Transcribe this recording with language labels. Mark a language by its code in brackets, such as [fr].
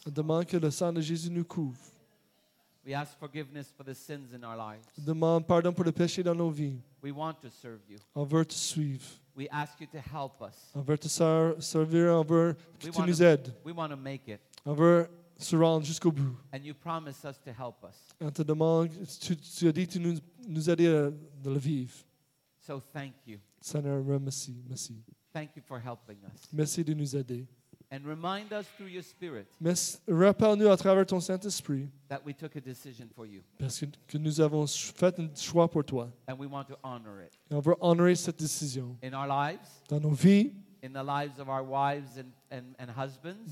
[fr] On demande que le sang de Jésus nous couvre. [en] We ask forgiveness for the sins in our lives. [fr] Demande pardon pour le péché dans nos vies. [en] We want to serve you. [fr] On veut te suivre. [en] We ask you to help us. [fr] On veut te servir. On veut que tu nous aides. [en] We want to make it. [fr] On veut se rendre jusqu'au bout. [en] And you promise us to help us. [fr] On te demande, tu as dit, tu nous aider de le vivre. [en] So thank you. [fr] Seigneur, merci, merci. [en] Thank you for helping us. [fr] Merci de nous aider. [en] And remind us through your Spirit. [fr] Rappelle-nous à travers ton Saint-Esprit. [en] That we took a decision for you. [fr] Parce que nous avons fait un choix pour toi. [en] And we want to honor it. [fr] Et on veut honorer cette décision. [en] In our lives. [fr] Dans nos vies. [en] In the lives of our wives and husbands.